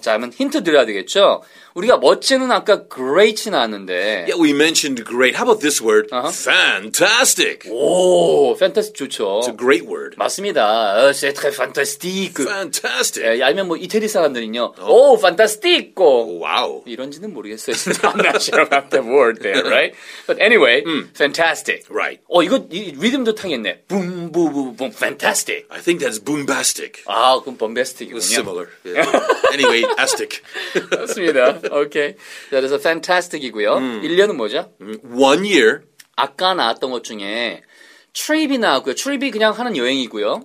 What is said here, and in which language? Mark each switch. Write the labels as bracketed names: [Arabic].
[Korean] 자, 그러면 힌트 드려야 되겠죠? 우리가 멋진은 아까 great이 나왔는데. [English] Yeah, we mentioned great. How about this word? Uh-huh. Fantastic. [Korean] 오, fantastic 좋죠. [English] It's a great word. [Korean] 맞습니다. [French] C'est très fantastique. [English] Fantastic. [Korean] 예, 아니면 뭐 이태리 사람들은요. 오, oh. fantastic. 오, [English] wow. [Korean] 이런지는 모르겠어요. [English] I'm not sure about the word there, right? But anyway, fantastic. Right. [Korean] 오, 이거 이 리듬도 탕했네. [English] Boom, boom, boom, boom. Fantastic. I think that's bombastic. [Korean] 아, 그럼 bombastic이군요. [English] It was similar. Yeah. Anyway, astic. [Korean] 맞습니다. [English] Okay. [Korean] 자, 그래서 fantastic이고요. 1년은 뭐죠? [English] One year. [Korean] 아까 나왔던 것 중에 trip이 나왔고요. trip이 그냥 하는 여행이고요.